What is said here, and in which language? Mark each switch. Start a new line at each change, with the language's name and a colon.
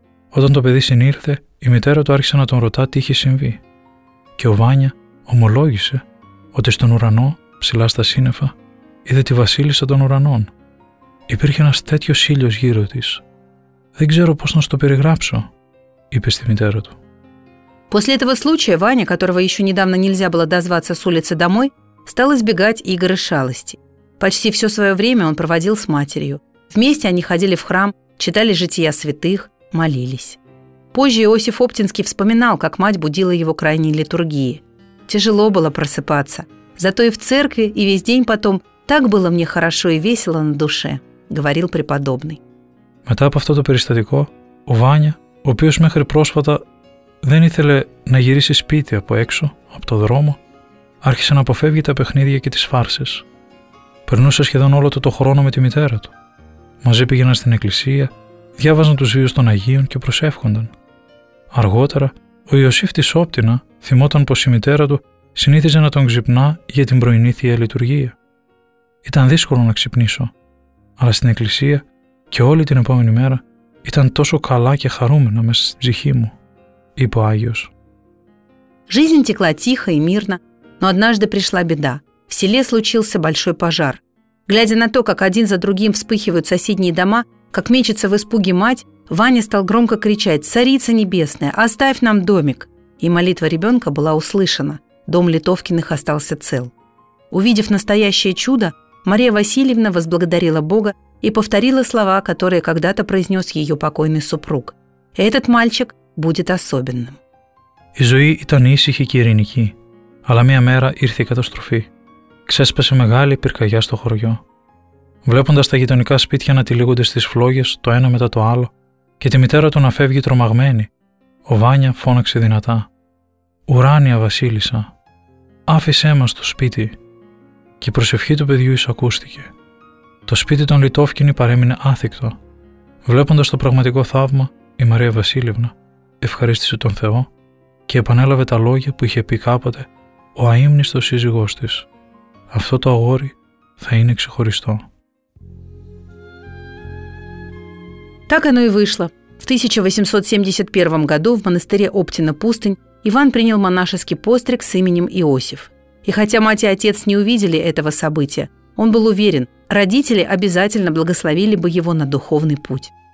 Greek: Όταν το παιδί συνήρθε, η μητέρα του άρχισε να τον ρωτά τι είχε συμβεί. Και ο Βάνια ομολόγησε ότι στον ουρανό, ψηλά στα σύννεφα, είδε τη Βασίλισσα των Ουρανών. Υπήρχε ένας τέτοιος ήλιος γύρω της. «Δεν ξέρω πώς να στο περιγράψω», είπε στη μητέρα του.
Russian: После этого случая Ваня, которого еще недавно нельзя было дозваться с улицы домой, стал избегать игр и шалости. Почти все свое время он проводил с матерью. Вместе они ходили в храм, читали жития святых, молились. Позже Иосиф Оптинский вспоминал, как мать будила его к ранней литургии. «Тяжело было просыпаться. Зато и в церкви, и весь день потом так было мне хорошо и весело на душе», — говорил преподобный.
Greek: Μετά από αυτό το περιστατικό, ο Βάνια, ο οποίος μέχρι πρόσφατα δεν ήθελε να γυρίσει σπίτι από έξω, από το δρόμο, άρχισε να αποφεύγει τα παιχνίδια και τις φάρσες. Περνούσε σχεδόν όλο το χρόνο με τη μητέρα του. Μαζί πήγαιναν στην εκκλησία, διάβαζαν τους βίους των Αγίων και προσεύχονταν. Αργότερα, ο Ιωσήφ της Όπτινα θυμόταν πως η μητέρα του συνήθιζε να τον ξυπνά για την πρωινή θεία λειτουργία. Ήταν δύσκολο να ξυπνήσω, αλλά στην εκκλησία και όλη την επόμενη μέρα ήταν τόσο καλά και χαρούμενα μέσα στην ψυχή μου, είπε ο Άγιος.
Russian: Жизнь текла тихо и мирно, но однажды пришла беда. В селе случился большой пожар. Глядя на то, как один за другим вспыхивают соседние дома, как мечется в испуге мать, Ваня стал громко кричать: «Царица небесная, оставь нам домик!» И молитва ребенка была услышана. Дом Литовкиных остался цел. Увидев настоящее чудо, Мария Васильевна возблагодарила Бога и повторила слова, которые когда-то произнес ее покойный супруг: «Этот мальчик будет особенным».
Greek: Η ζωή ήταν ήσυχη και ειρηνική, αλλά μία μέρα ήρθε η καταστροφή. Ξέσπασε μεγάλη πυρκαγιά στο χωριό. Βλέποντας τα γειτονικά σπίτια να τυλίγονται στις φλόγες το ένα μετά το άλλο και τη μητέρα του να φεύγει τρομαγμένη, ο Βάνια φώναξε δυνατά: «Ουράνια Βασίλισσα, άφησέ μας το σπίτι!» Και η προσευχή του παιδιού εισακούστηκε. Το σπίτι των Λιτόφκινη παρέμεινε άθικτο. Βλέποντας το πραγματικό θαύμα, η Μαρία Βασίλευνα ευχαρίστησε τον Θεό και επανέλαβε τα λόγια που είχε πει κάποτε ο αείμνηστος σύζυγός της: «Αυτό το αγόρι θα είναι ξεχωριστό».
Russian: Так оно и вышло. В 1871 году в монастыре Оптина-Пустынь Иван принял монашеский постриг с именем Иосиф. И хотя мать и отец не увидели этого события, он был уверен, родители обязательно благословили бы его на духовный путь.